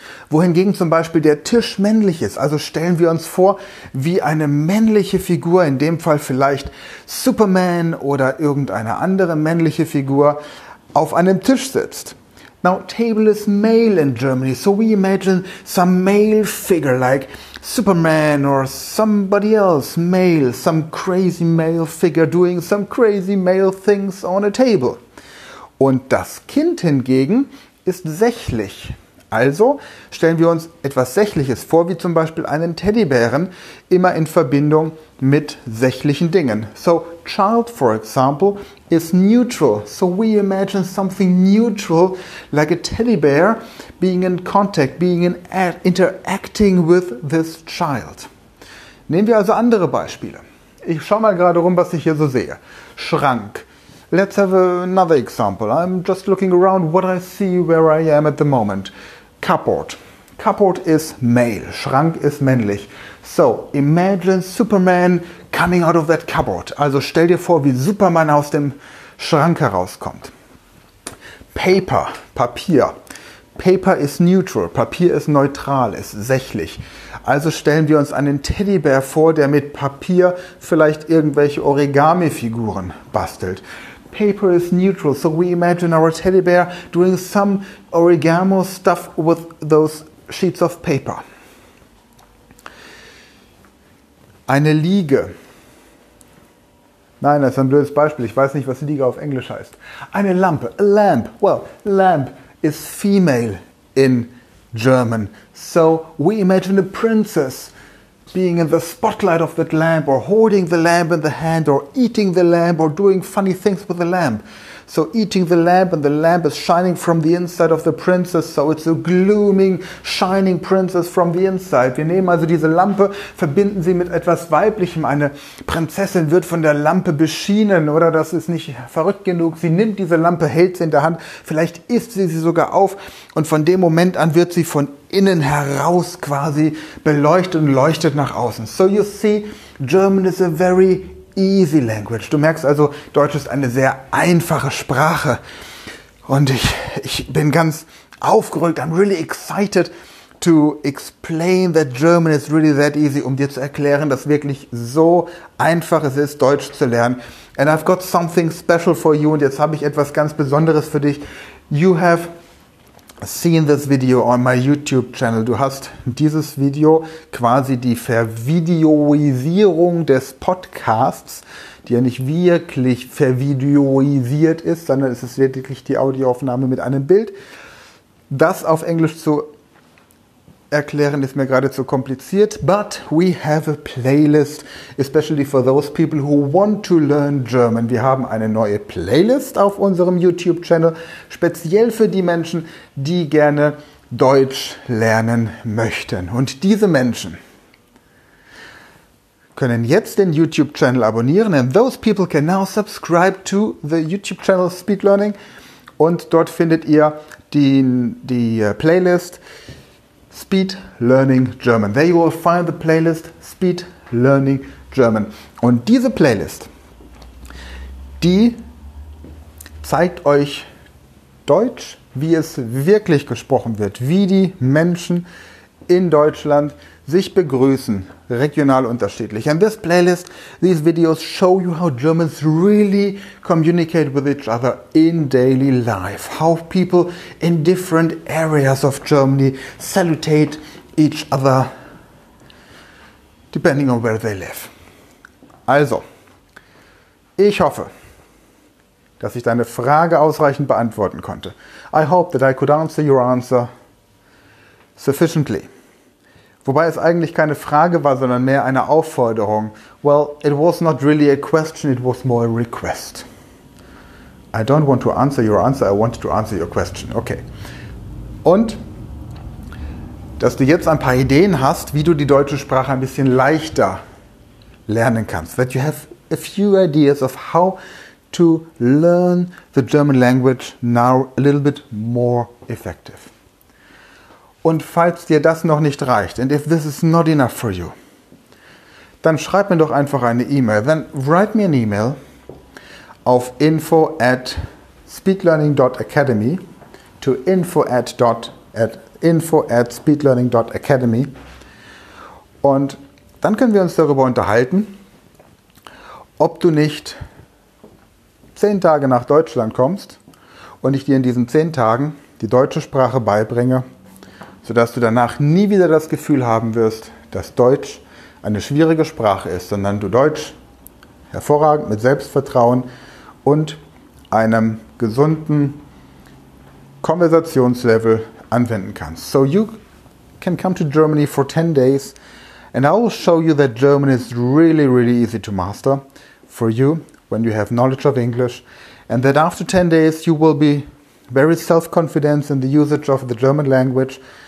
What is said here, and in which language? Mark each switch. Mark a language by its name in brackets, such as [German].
[German] Wohingegen zum Beispiel der Tisch männlich ist. Also stellen wir uns vor, wie eine männliche Figur, in dem Fall vielleicht Superman oder irgendeine andere männliche Figur, auf einem Tisch sitzt. [English] Now, table is male in Germany, so we imagine some male figure like Superman or somebody else male, some crazy male figure doing some crazy male things on a table. [German] Und das Kind hingegen ist sächlich. Also stellen wir uns etwas Sächliches vor, wie zum Beispiel einen Teddybären, immer in Verbindung mit sächlichen Dingen. [English] So, child, for example, is neutral. So we imagine something neutral, like a teddy bear, being in contact, being in interacting with this child. [German] Nehmen wir also andere Beispiele. Ich schaue mal gerade rum, was ich hier so sehe. Schrank. [English] Let's have another example. I'm just looking around what I see where I am at the moment. Cupboard. Cupboard is male. [German] Schrank ist männlich. [English] So, imagine Superman coming out of that cupboard. [German] Also stell dir vor, wie Superman aus dem Schrank herauskommt. Paper. Papier. [English] Paper is neutral. [German] Papier ist neutral, ist sächlich. Also stellen wir uns einen Teddybär vor, der mit Papier vielleicht irgendwelche Origami-Figuren bastelt. [English] Paper is neutral, so we imagine our teddy bear doing some origami stuff with those sheets of paper. [German] Eine Liege. Nein, das ist ein blödes Beispiel. Ich weiß nicht, was Liege auf Englisch heißt. Eine Lampe. [English] A lamp. Well, lamp is female in German. So we imagine a princess being in the spotlight of that lamp, or holding the lamp in the hand, or eating the lamp, or doing funny things with the lamp. So eating the lamp, and the lamp is shining from the inside of the princess, so it's a glooming, shining princess from the inside. [German] Wir nehmen also diese Lampe, verbinden sie mit etwas Weiblichem. Eine Prinzessin wird von der Lampe beschienen, oder das ist nicht verrückt genug. Sie nimmt diese Lampe, hält sie in der Hand, vielleicht isst sie sie sogar auf, und von dem Moment an wird sie von innen heraus quasi beleuchtet und leuchtet nach außen. [English] So you see, German is a very easy language. [German] Du merkst also, Deutsch ist eine sehr einfache Sprache. Und ich bin ganz aufgerückt. [English] I'm really excited to explain that German is really that easy, [German] um dir zu erklären, dass wirklich so einfach es ist, Deutsch zu lernen. [English] And I've got something special for you. [German] Und jetzt habe ich etwas ganz Besonderes für dich. [English] You have seen this video on my YouTube channel. [German] Du hast dieses Video, quasi die Vervideoisierung des Podcasts, die ja nicht wirklich vervideoisiert ist, sondern es ist lediglich die Audioaufnahme mit einem Bild. Das auf Englisch zu erklären ist mir gerade zu kompliziert. [English] But we have a playlist, especially for those people who want to learn German. [German] Wir haben eine neue Playlist auf unserem YouTube-Channel, speziell für die Menschen, die gerne Deutsch lernen möchten. Und diese Menschen können jetzt den YouTube-Channel abonnieren. [English] And those people can now subscribe to the YouTube-Channel Speed Learning. [German] Und dort findet ihr die Playlist Speed Learning German. [English] There you will find the playlist Speed Learning German. [German] Und diese Playlist, die zeigt euch Deutsch, wie es wirklich gesprochen wird, wie die Menschen in Deutschland sich begrüßen, regional unterschiedlich. [English] And this playlist, these videos show you how Germans really communicate with each other in daily life. How people in different areas of Germany salutate each other, depending on where they live. [German] Also, ich hoffe, dass ich deine Frage ausreichend beantworten konnte. [English] I hope that I could answer your answer sufficiently. [German] Wobei es eigentlich keine Frage war, sondern mehr eine Aufforderung. [English] Well, it was not really a question, it was more a request. I don't want to answer your answer, I want to answer your question. Okay. [German] Und, dass du jetzt ein paar Ideen hast, wie du die deutsche Sprache ein bisschen leichter lernen kannst. [English] That you have a few ideas of how to learn the German language now a little bit more effective. [German] Und falls dir das noch nicht reicht, [English] and if this is not enough for you, [German] dann schreib mir doch einfach eine E-Mail. [English] Then write me an email [German] auf info@speedlearning.academy [English] to info@speedlearning.academy [German] und dann können wir uns darüber unterhalten, ob du nicht 10 Tage nach Deutschland kommst und ich dir in diesen 10 Tagen die deutsche Sprache beibringe, sodass du danach nie wieder das Gefühl haben wirst, dass Deutsch eine schwierige Sprache ist, sondern du Deutsch hervorragend mit Selbstvertrauen und einem gesunden Konversationslevel anwenden kannst. [English] So you can come to Germany for 10 days and I will show you that German is really, really easy to master for you when you have knowledge of English, and that after 10 days you will be very self-confident in the usage of the German language.